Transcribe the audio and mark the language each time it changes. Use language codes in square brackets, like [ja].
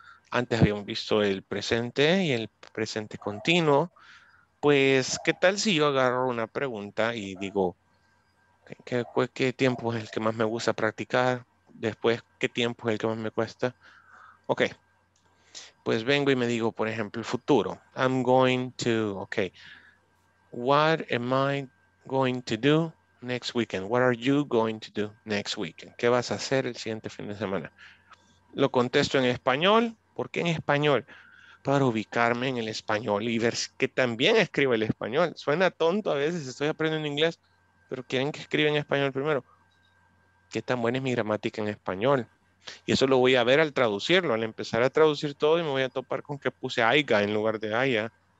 [es] Antes habíamos visto el presente y el presente continuo. Pues, ¿qué tal si yo agarro una pregunta y digo, ¿qué tiempo es el que más me gusta practicar? Después, ¿qué tiempo es el que más me cuesta? Ok, pues vengo y me digo, por ejemplo, el futuro. [en] I'm going to, ok. What am I going to do next weekend? What are you going to do next weekend? [es] ¿Qué vas a hacer el siguiente fin de semana? Lo contesto en español. ¿Por qué en español? Para ubicarme en el español y ver que también escribo el español. Suena tonto a veces, estoy aprendiendo inglés, pero quieren que escriba en español primero. ¿Qué tan buena es mi gramática en español? Y eso lo voy a ver al traducirlo, al empezar a traducir todo, y me voy a topar con que puse aiga en lugar de aya.